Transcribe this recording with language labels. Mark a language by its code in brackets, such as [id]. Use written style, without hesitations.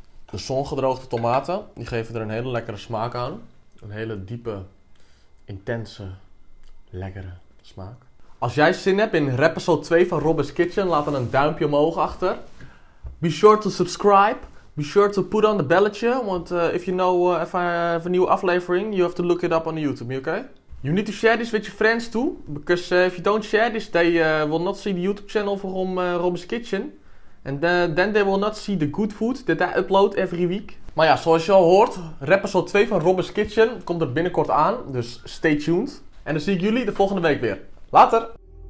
[nl] De zongedroogde tomaten, die geven er een hele lekkere smaak aan. Een hele diepe, intense, lekkere smaak. Als jij zin hebt in episode 2 van Robin's Kitchen, laat dan een duimpje omhoog achter. [en] Be sure to subscribe. Be sure to put on the belletje. Want if you know if I have a new aflevering, you have to look it up on YouTube, okay? You need to share this with your friends too. Because if you don't share this, they will not see the YouTube channel from Robin's Kitchen. And then they will not see the good food that I upload every week. [nl] Maar ja, zoals je al hoort, episode 2 van Robin's Kitchen komt er binnenkort aan. Dus [en] stay tuned. [nl] En dan zie ik jullie de volgende week weer. Later!